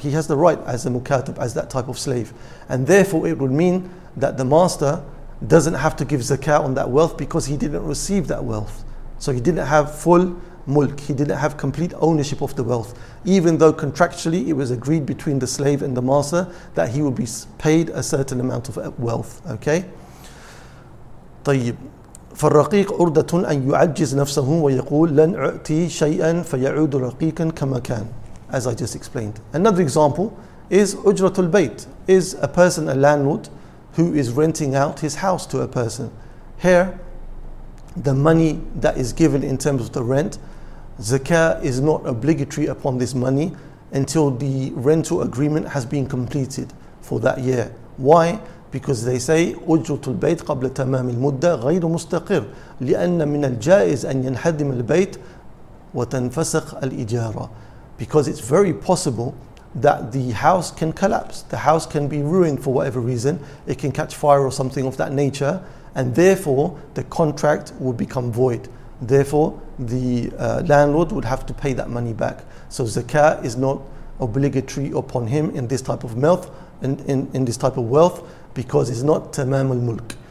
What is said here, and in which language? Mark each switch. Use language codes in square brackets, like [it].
[en] He has the right as a mukatib, as that type of slave. And therefore it would mean that the master doesn't have to give zakah on that wealth because he didn't receive that wealth. So he didn't have full mulk. He didn't have complete ownership of the wealth. Even though contractually it was agreed between the slave and the master that he would be paid a certain amount of wealth. Okay? [ar] طيب فالرقيق أردة أن يعجز نفسه ويقول لن أعطي شيئا فيعود رقيقا كما كان. [en] As I just explained. Another example is أجرة البيت, is a person, a landlord, who is renting out his house to a person. Here, the money that is given in terms of the rent, zakah is not obligatory upon this money until the rental agreement has been completed for that year. Why? [ar] Because they say أُجْرُتُ الْبَيْتِ قَبْلَ تَمَامِ الْمُدَّةِ غَيْرُ مُسْتَقِرْ لِأَنَّ مِنَ الْجَائِزِ أَنْ يَنْحَدِمَ الْبَيْتِ وَتَنْفَسَقْ الْإِجَارَةِ. [en] Because it's very possible that the house can collapse. The house can be ruined for whatever reason. It can catch fire or something of that nature. And therefore, the contract would become void. Therefore, the landlord would have to pay that money back. So zakat is not obligatory upon him in this type of wealth, in this type of wealth, because it's not tamam al-mulk.